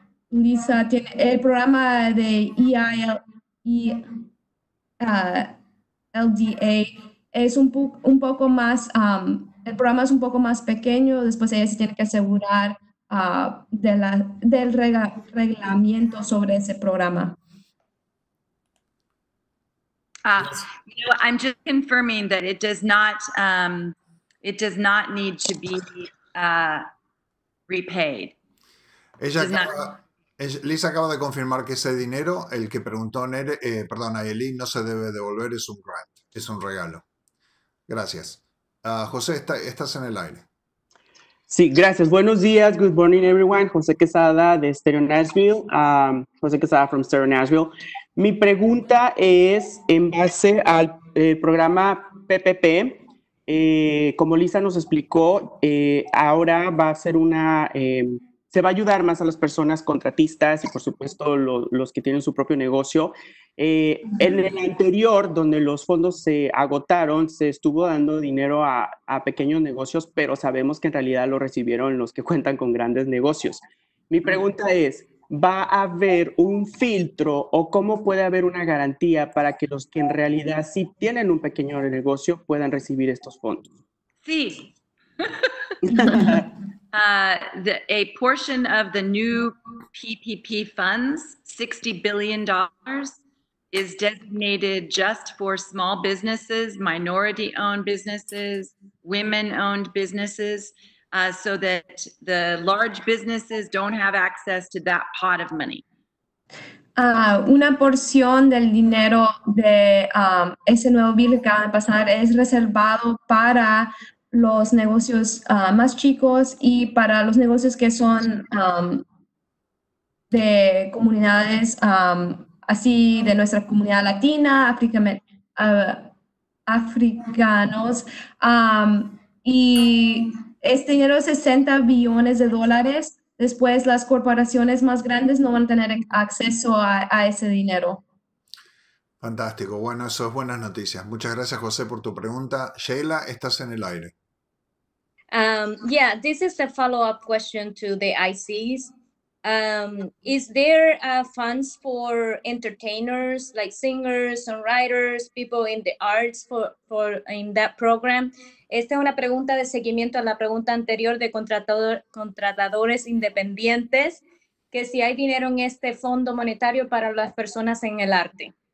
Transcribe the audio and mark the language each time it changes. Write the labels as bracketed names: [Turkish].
[Spanish] Lisa, tiene el programa de EILDA es un poco más... el programa es un poco más pequeño, después ella se tiene que asegurar del reglamento sobre ese programa. [English] I'm just confirming that it does not need to be repaid. [Spanish] Lisa acaba de confirmar que ese dinero, el que preguntó Nere, perdón, Aileen, no se debe devolver, es un grant, es un regalo. Gracias. José, estás en el aire. Sí, gracias. Buenos días. [English] Good morning, everyone. [Spanish] José Quesada de Stereo Nashville. [English] José Quesada from Stereo Nashville. [Spanish] Mi pregunta es en base al programa PPP. Como Lisa nos explicó, ahora va a ser se va a ayudar más a las personas contratistas y, por supuesto, los que tienen su propio negocio. En el anterior, donde los fondos se agotaron, se estuvo dando dinero a pequeños negocios, pero sabemos que en realidad lo recibieron los que cuentan con grandes negocios. Mi pregunta es, va a haber un filtro o cómo puede haber una garantía para que los que en realidad sí tienen un pequeño negocio puedan recibir estos fondos? Sí. [English] a portion of the new PPP funds, $60 billion, is designated just for small businesses, minority-owned businesses, women-owned businesses, so that the large businesses don't have access to that pot of money. [Spanish] Una porción del dinero de ese nuevo bill que acaba de pasar es reservado para los negocios más chicos y para los negocios que son de comunidades así de nuestra comunidad latina, africanos, y este dinero es $60 billones. Después las corporaciones más grandes no van a tener acceso a ese dinero. Fantástico. Bueno, eso es buenas noticias. Muchas gracias, José, por tu pregunta. Sheila, estás en el aire. [English] Yeah, this is a follow-up question to the ICs. Is there funds for entertainers, like singers and writers, people in the arts for in that program? [Spanish] Esta es una pregunta de seguimiento a la pregunta anterior de contratadores independientes, que si hay dinero en este fondo monetario para las personas en el arte.